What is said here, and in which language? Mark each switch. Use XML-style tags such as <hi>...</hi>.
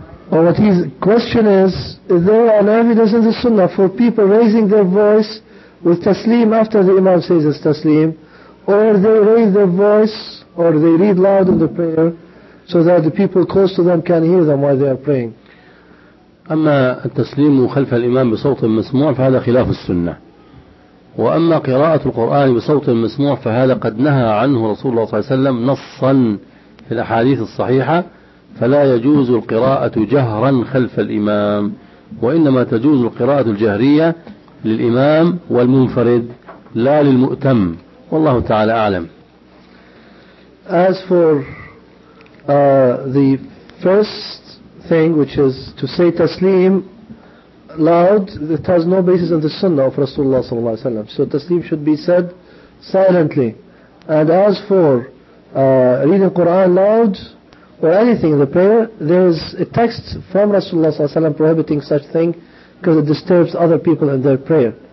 <en>Well, what his question is there an evidence in the Sunnah for people raising their voice with taslim after the Imam says his taslim, or they raise their voice or they read loud in the prayer so that the people close to them can hear them while they are praying.</en> <ar>أما التسليم خلف الإمام بصوت مسموع فهذا خلاف السنة، وأما قراءة القرآن بصوت مسموع فهذا قد نهى عنه رسول الله صلى الله عليه وسلم نصا في الأحاديث الصحيحة، فلا يجوز القراءة جهرا خلف الإمام، وإنما تجوز القراءة الجهرية للإمام والمنفرد لا للمؤتم، والله تعالى أعلم.</ar> <en>As for the first thing, which is to say taslim loud, it has no basis in the sunnah of Rasulullah</en> <ar>صلى الله عليه وسلم.</ar> <en>So taslim should be said silently. And as for reading Quran loud or anything in the prayer, there is a text from Rasulullah</en> <ar>صلى الله عليه وسلم</ar> <en>prohibiting such thing because it disturbs other people in their prayer.</en>